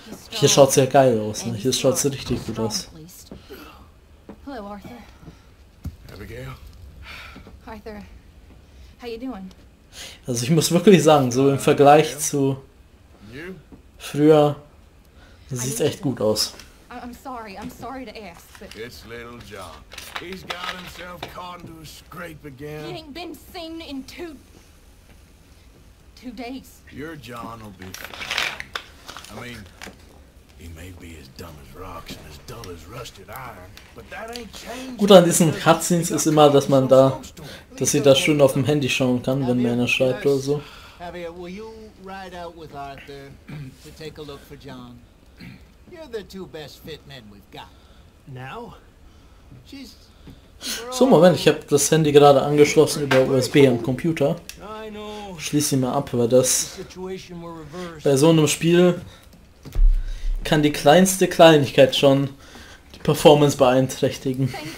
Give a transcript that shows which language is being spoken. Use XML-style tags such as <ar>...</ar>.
<de>Hier schaut es ja geil aus. Ne? Hier schaut es richtig gut aus. Hallo, Arthur. Abigail.</de> <en>Arthur, how you doing?</en> <de>Also ich muss wirklich sagen, so im Vergleich zu früher sieht es echt gut aus.</de> <en>I'm sorry to ask, but it's little John. He's got himself caught into a scrape again. He ain't been seen in two days. Your John will be fine. I mean, He may be as dumb as rocks and as dull as rusted iron, but that ain't changed.</en> <de>Gut an diesen Cutscenes ist immer, dass man da, dass sie da schön auf dem Handy schauen kann, wenn mir einer schreibt oder so.</de> <en>Javier, will you ride out with Arthur to take a look for John? You're the two best fit men we've got. Now? She's...</en> <de>So, Moment, ich habe das Handy gerade angeschlossen über USB am Computer. Schließ sie mal ab, weil das bei so einem Spiel kann die kleinste Kleinigkeit schon die Performance beeinträchtigen.</de>